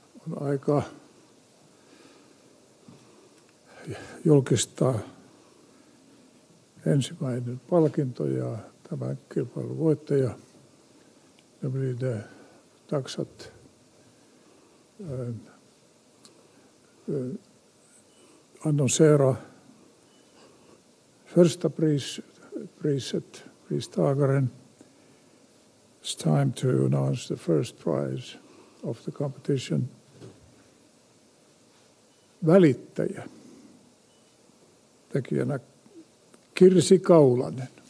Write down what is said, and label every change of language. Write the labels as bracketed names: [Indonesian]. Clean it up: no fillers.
[Finnish] On aika julkistaa ensimmäinen palkinto ja tämän kilpailun voittaja, ne taksat. [Swedish] Annonsera första priset, pristagaren. [English] It's time to announce the first prize of the competition. [Finnish] Välittäjä, tekijänä Kirsi Kaulanen.